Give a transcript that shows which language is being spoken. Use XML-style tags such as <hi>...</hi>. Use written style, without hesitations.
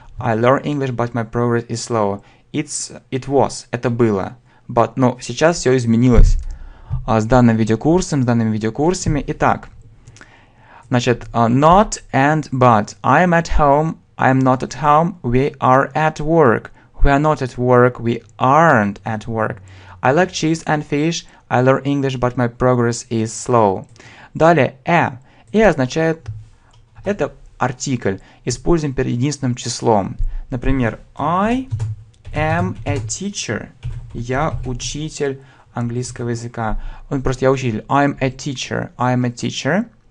<en>I learn English, but my progress is slow. It was.</en> <ru>Это было. But, но сейчас все изменилось. С данными видеокурсами. Итак. Значит,</ru> <en>not and but. I am at home. I am not at home. We are at work. We are not at work. We aren't at work. I like cheese and fish. I learn English, but my progress is slow.</en> <ru>Далее, a. И означает, это артикль, используем перед единственным числом.</ru> <en>Например, I am a teacher.</en> <ru>Я учитель английского языка. Он просто, я учитель.</ru> <en>I am a teacher.</en>